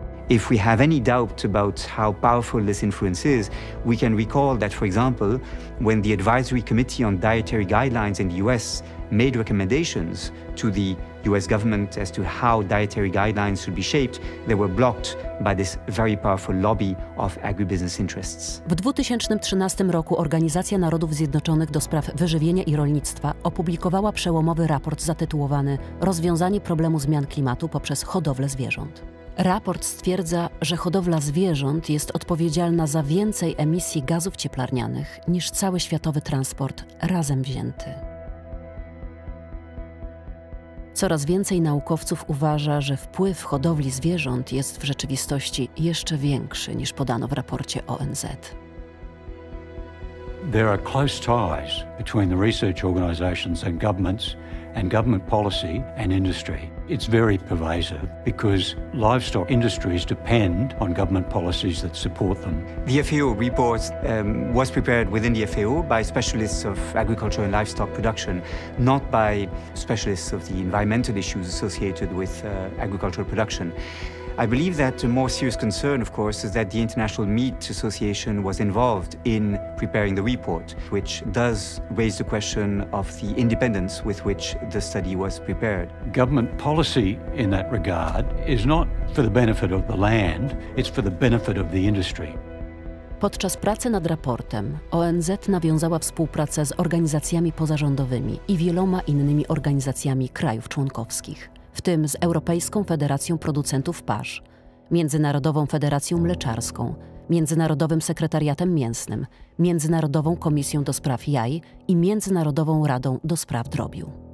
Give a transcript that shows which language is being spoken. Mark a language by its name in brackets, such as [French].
[English] If we have any doubt about how powerful this influence is, we can recall that, for example, when the Advisory Committee on Dietary Guidelines in the US made recommendations to the US government as to how dietary guidelines should be shaped, they were blocked by this very powerful lobby of agribusiness interests. [Polish] W 2013 roku Organizacja Narodów Zjednoczonych do spraw wyżywienia i rolnictwa opublikowała przełomowy raport zatytułowany Rozwiązanie problemu zmian klimatu poprzez hodowlę zwierząt. Raport stwierdza, że hodowla zwierząt jest odpowiedzialna za więcej emisji gazów cieplarnianych niż cały światowy transport razem wzięty. Coraz więcej naukowców uważa, że wpływ hodowli zwierząt jest w rzeczywistości jeszcze większy niż podano w raporcie ONZ. [English] There are close ties between the research organizations and governments and government policy and industry. It's very pervasive because livestock industries depend on government policies that support them. The FAO report was prepared within the FAO by specialists of agriculture and livestock production, not by specialists of the environmental issues associated with agricultural production. I believe that a more serious concern, of course, is that the International Meat Association was involved in preparing the report, which does raise the question of the independence with which the study was prepared. Government policy in that regard is not for the benefit of the land, it's for the benefit of the industry. [Polish] Podczas pracy nad raportem ONZ nawiązała współpracę z organizacjami pozarządowymi i wieloma innymi organizacjami krajów członkowskich, w tym z Europejską Federacją Producentów Pasz, Międzynarodową Federacją Mleczarską, Międzynarodowym Sekretariatem Mięsnym, Międzynarodową Komisją do Spraw Jaj i Międzynarodową Radą do Spraw Drobiu.